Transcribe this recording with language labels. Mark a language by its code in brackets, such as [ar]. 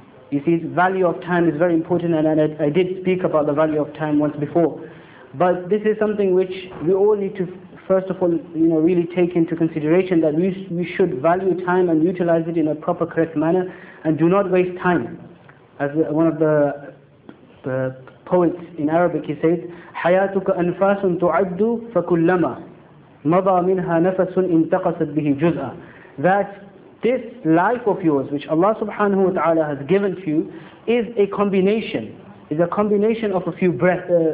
[en] You see, the value of time is very important, and I did speak about the value of time once before. But this is something which we all need to, first of all, you know, really take into consideration, that we should value time and utilize it in a proper, correct manner, and do not waste time. As one of the poets in Arabic, he says, [ar] حَيَاتُكَ أَنْفَاسٌ تُعَدُّ فَكُلَّمَا مَضَى مِنْهَا نَفَسٌ انْتَقَصَتْ بِهِ جُزْءًا. [en] That this life of yours, which Allah subhanahu wa ta'ala has given to you, is a combination of a few breaths.